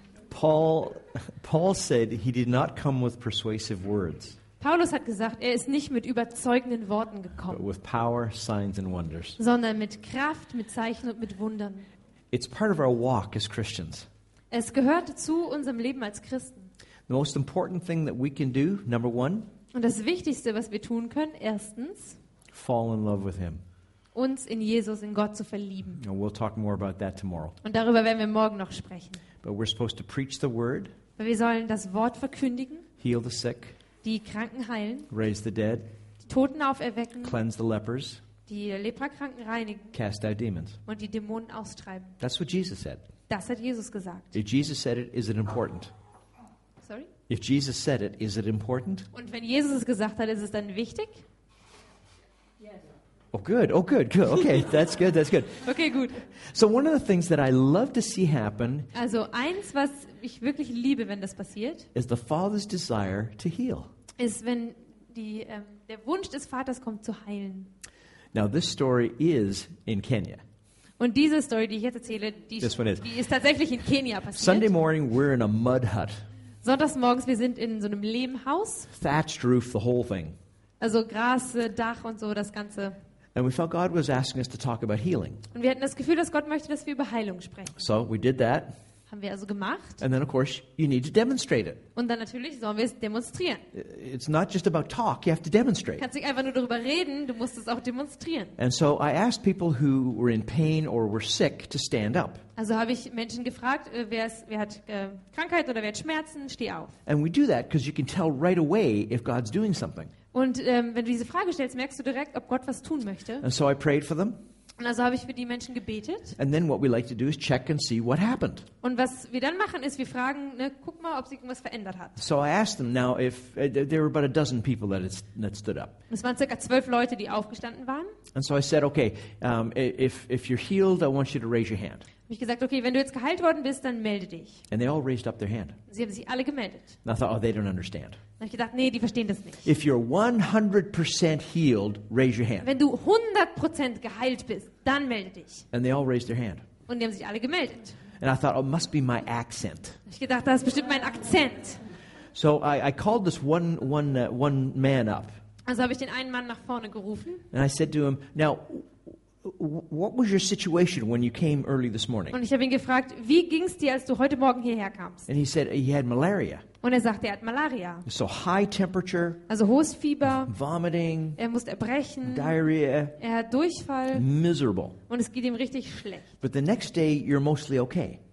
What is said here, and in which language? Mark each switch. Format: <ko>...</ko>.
<en>Paul said he did not come with persuasive words.</en> <de>Paulus hat gesagt, er ist nicht mit überzeugenden Worten gekommen,</de> <en>but with power, signs and wonders.</en> <de>Sondern mit Kraft, mit Zeichen und mit Wundern.</de> <en>It's part of our walk as Christians.</en> <de>Es gehört zu unserem Leben als Christen.</de> <en>The most important thing that we can do, number one,</en> <de>und das Wichtigste, was wir tun können, erstens,</de> <en>fall in love with him.</en> <de>Uns in Jesus, in Gott zu verlieben.</de> <en>And we'll talk more about that tomorrow.</en> <de>Und darüber werden wir morgen noch sprechen.</de> <en>But we're supposed to preach the word.</en> <de>Weil wir sollen das Wort verkündigen.</de> <en>Heal the sick.</en> <de>Die Kranken heilen.</de> <en>Raise the dead.</en> <de>Die Toten auferwecken.</de> <en>Cleanse the lepers.</en> <de>Die Leprakranken reinigen.</de> <en>Cast out demons.</en> <de>Und die Dämonen austreiben.</de> <en>That's what Jesus said.</en> <de>Das hat Jesus gesagt.</de> <en>If Jesus said it, is it important? Sorry? If Jesus said it, is it important?</en> <de>Und wenn Jesus es gesagt hat, ist es dann wichtig?</de> <en>Oh good. Oh good. Good. Okay, that's good. That's good.</en> <de>Okay, gut.</de> <en>So one of the things that I love to see happen,</en> <de>also eins, was ich wirklich liebe, wenn das passiert,</de> <en>is the Father's desire to heal.</en> <de>Ist wenn die der Wunsch des Vaters kommt zu heilen.</de> <en>Now this story is in Kenya.</en> <de>Und diese Story, die ich jetzt erzähle, die ist tatsächlich in Kenia passiert.</de> <en>Sunday morning we're in a mud hut.</en> <de>Sonntags morgens wir sind in so einem Lehmhaus.</de> <en>Thatched roof, the whole thing.</en> <de>Also Gras, Dach und so das ganze.</de> <en>And we felt God was asking us to talk about healing.</en> <de>Und wir hatten das Gefühl, dass Gott möchte, dass wir über Heilung sprechen.</de> <en>So we did that.</en> <de>Haben wir also gemacht.</de> <en>And then of course you need to demonstrate it.</en> <de>Und dann natürlich sollen wir es demonstrieren.</de> <en>It's not just about talk, you have to demonstrate.</en> <de>Du kannst nicht einfach nur darüber reden, du musst es auch demonstrieren.</de> <en>And so I asked people who were in pain or were sick to stand up.</en> <de>Also habe ich Menschen gefragt, wer hat Krankheit oder wer hat Schmerzen, steh auf.</de> <en>And we do that because you can tell right away if God's doing something.</en> <de>Und wenn du diese Frage stellst, merkst du direkt, ob Gott was tun möchte.</de> <en>And so I prayed for them.</en> <de>Und also habe ich für die Menschen gebetet.</de> <en>And then what we like to do is check and see what happened.</en> <de>Und was wir dann machen ist, wir fragen, ne, guck mal, ob sich irgendwas verändert hat.</de> <en>So I asked them now if there were about a dozen people that stood up.</en> <de>Es waren circa 12 Leute, die aufgestanden waren.</de> <en>And so I said, okay, if you're healed, I want you to raise your hand.</en> <de>Und ich gesagt, okay, wenn du jetzt geheilt worden bist, dann melde dich.</de> <en>And they all raised up their hand.</en> <de>Sie haben sich alle gemeldet.</de> <en>And I thought, oh, they don't understand.</en> <de>Dann habe ich gedacht, nee, die verstehen das nicht.</de> <en>If you're 100% healed, raise your hand.</en> <de>Wenn du 100% geheilt bist, dann melde dich.</de> <en>And they all raised their hand.</en> <de>Und die haben sich alle gemeldet.</de> <en>And I thought, oh, it must be my accent.</en> <de>Ich gedacht, das ist bestimmt mein Akzent.</de> <en>So I called this one man up.</en> <de>Also habe ich den einen Mann nach vorne gerufen.</de> <en>And I said to him, now, what was your situation when you came early this morning?</en> <de>Und ich habe ihn gefragt, wie ging's dir, als du heute Morgen hierher kamst?</de> <en>And he said he had malaria.</en> <de>Und er sagte, er hat Malaria.</de> <en>So high temperature.</en> <de>Also hohes Fieber.</de> <en>Vomiting.</en> <de>Er musste erbrechen.</de> <en>Diarrhea.</en> <de>Er hat Durchfall.</de> <en>Miserable.</en> <de>Und es geht ihm richtig schlecht.</de> <en>But the next day you're mostly okay.</en>